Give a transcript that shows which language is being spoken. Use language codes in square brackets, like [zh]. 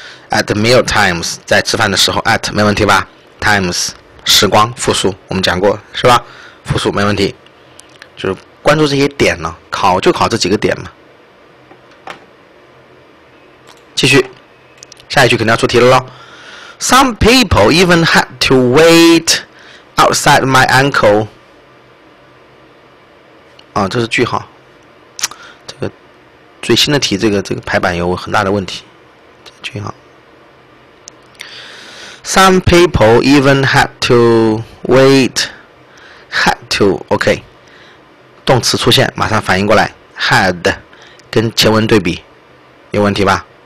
[en] At meal times， [zh] 在吃饭的时候 ，at 没问题吧 ？Times， 时光复数，我们讲过是吧？复数没问题，就是关注这些点了，考就考这几个点嘛。继续，下一句肯定要出题了咯。 [en] Some people even had to wait outside my uncle。 [zh] 啊，这是句号。这个最新的题，这个排版有很大的问题。句号。 [en] Some people even had to wait. Had to. OK。 [zh] 动词出现，马上反应过来。Had， 跟前文对比，有问题吧？